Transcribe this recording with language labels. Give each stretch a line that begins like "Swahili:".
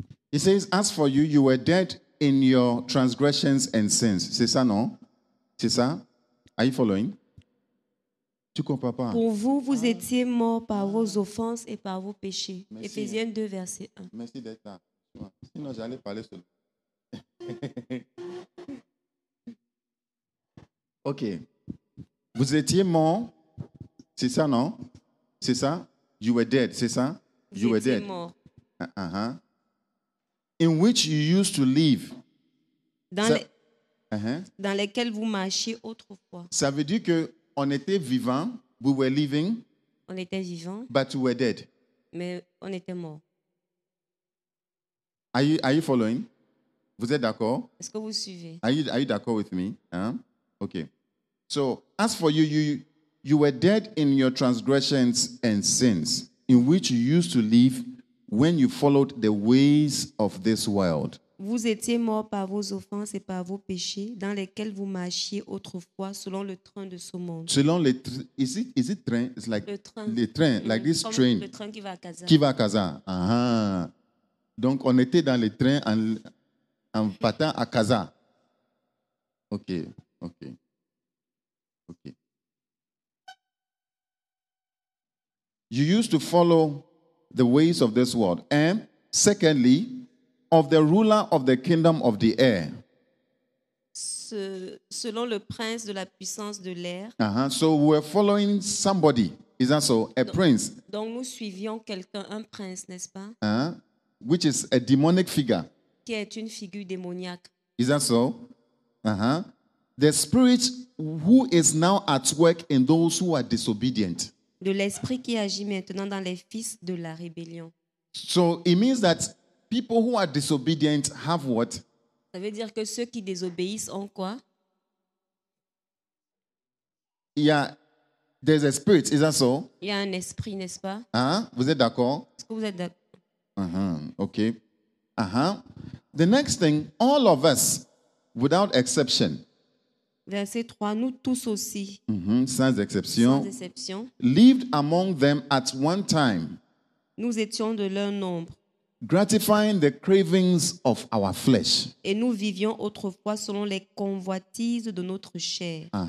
English: It says, as for you, you were dead in your transgressions and sins.
French: C'est ça, non? C'est ça?
English: Are you following?
French: Tu comprends pas. Pour vous, vous étiez morts par vos offenses et par vos péchés. Ephésiens 2, verset 1. Merci d'être là. Sinon, j'allais parler seul. OK. Vous étiez morts. C'est ça, non? C'est ça?
English: You were dead,
French: c'est ça? Vous
English: you
French: étiez
English: were dead.
French: Mort.
English: In which you used to live.
French: Dans lesquels vous marchiez autrefois. Ça veut dire que on était vivant,
English: we were living.
French: On était vivant.
English: But we were dead.
French: Mais on était mort.
English: Are you following?
French: Vous êtes d'accord? Est-ce que vous suivez?
English: Are you d'accord with me? Okay. So, as for you, you were dead in your transgressions and sins, in which you used to live when you followed the ways of this world.
French: Vous étiez mort par vos offenses et par vos péchés, dans lesquels vous marchiez autrefois selon le train de ce monde. Selon le train,
English: is it train? It's like
French: le train. Le train,
English: like this
French: comme
English: train.
French: Le train qui va à Casa. Qui va à Casa. Donc, on était dans le train en partant à Casa.
English: Okay. You used to follow the ways of this world. And secondly, of the ruler of the kingdom of the air.
French: Selon le prince de la puissance de l'air.
English: So we're following somebody. Is that so? A prince.
French: Donc nous suivions quelqu'un, un prince, n'est-ce pas?
English: Which is a demonic figure.
French: Qui est une figure démoniaque.
English: Is that so? The spirit who is now at work in those who are disobedient.
French: De l'esprit qui agit maintenant dans les fils de la rébellion.
English: So it means that people who are disobedient have what?
French: Ça veut dire que ceux qui désobéissent ont quoi?
English: Yeah, there's a spirit, is that so?
French: Il y a un esprit, n'est-ce pas? Vous êtes d'accord? Est-ce que vous êtes d'accord?
English: Okay. The next thing, all of us, without exception.
French: Verset 3, nous tous aussi. Sans exception.
English: Lived among them at one time.
French: Nous étions de leur nombre.
English: Gratifying the cravings of our flesh.
French: Et nous vivions autrefois selon les convoitises de notre chair.